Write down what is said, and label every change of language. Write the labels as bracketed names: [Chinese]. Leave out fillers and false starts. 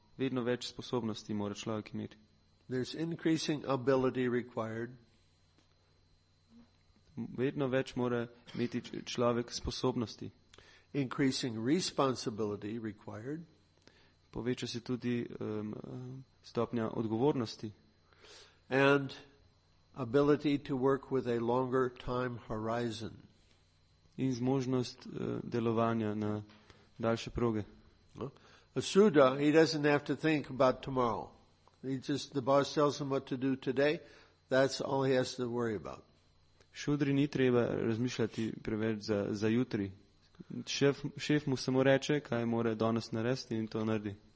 [Slovenian] vedno več sposobnosti mora človek imeti. [English] There's increasing ability required. [Slovenian] Vedno več mora imeti človek sposobnosti. [English] Increasing responsibility required. [Slovenian] Poveča se tudi stopnja odgovornosti. [English] And ability to work with a longer time horizon. [Slovenian] In zmožnost delovanja na daljše proge. [English] A Suda, he doesn't have to think about tomorrow. He just, the boss tells him what to do today, that's all he has to worry about. [Slovenian] Šudri ni treba razmišljati preveč za jutri. Šef mu samo reče, kaj mora danes narediti in to naredi.